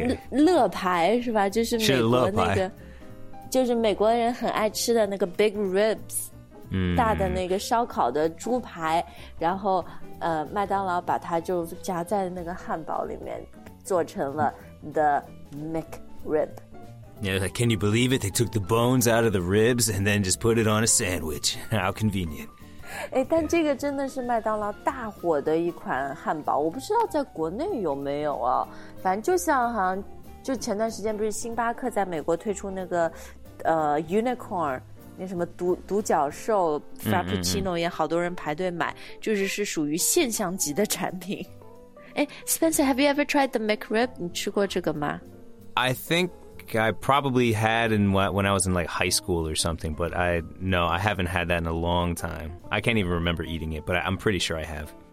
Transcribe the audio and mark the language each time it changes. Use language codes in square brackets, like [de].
[zh] 乐排是吧就是美国那个就是美国人很爱吃的那个 big ribs 大的那个烧烤的猪排然后麦当劳把它就夹在那个汉堡里面，做成了 the McRib. [en] Yeah, like, can you believe it? They took the bones out of the ribs and then just put it on a sandwich. How convenient. [zh] 哎，但这个真的是麦当劳大火的一款汉堡，我不知道在国内有没有啊。反正就像好像就前段时间不是星巴克在美国推出那个unicorn。那什么 独角兽 Frappuccino 也好多人排队买就是是属于现象级的产品诶 [en] Spencer have you ever tried the McRib [zh] 你吃过这个吗 [en] I think I probably had in when I was in like high school or something but I no I haven't had that in a long time I can't even remember eating it but I'm pretty sure I have